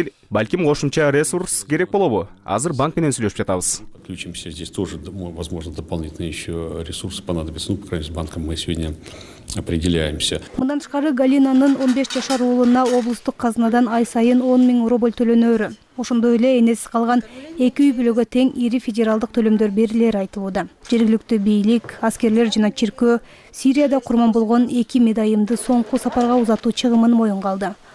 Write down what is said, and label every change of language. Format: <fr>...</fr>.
<ky>Балким кошумча ресурс керек болобу? Азыр банк менен сүйлөшүп жатабыз.</ky> <ru>Подключимся здесь тоже, возможно, дополнительные еще ресурсы понадобятся. По крайней мере, с банком мы сегодня определяемся.</ru> <ky>Мындан тышкары Галинанын 15 жашар уулуна облустук казынадан ай сайын 10,000 рубль төлөнөрү. Ошондой эле энеси калган эки үй бүлөгө тең ири федералдык төлөмдөр берилери айтылууда. Жергиликтүү бийлик, аскерлер жана чиркөө Сирияда курман болгон эки медайымды соңку сапарга узатуу чыгымын моюнга алды.</ky>